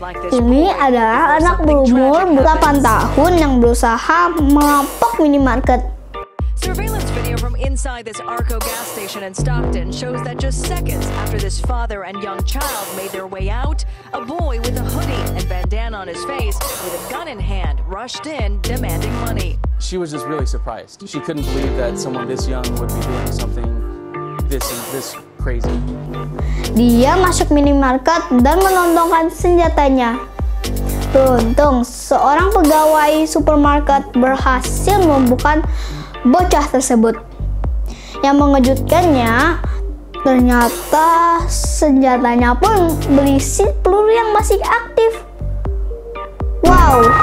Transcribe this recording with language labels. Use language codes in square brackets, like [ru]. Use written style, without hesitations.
[id] Ini adalah anak berumur 8 tahun yang berusaha merampok minimarket. [en] Surveillance video from inside this Arco gas station in Stockton shows that just seconds after this father and young child made their way out, a boy with a hoodie and bandana on his face with a gun in hand rushed in demanding money. She was just really surprised. She couldn't believe that someone this young would be doing something this crazy. [id] Dia masuk minimarket dan menodongkan senjatanya. Beruntung, seorang pegawai supermarket berhasil membuka bocah tersebut. Yang mengejutkannya, ternyata senjatanya pun berisi peluru yang masih aktif. Wow.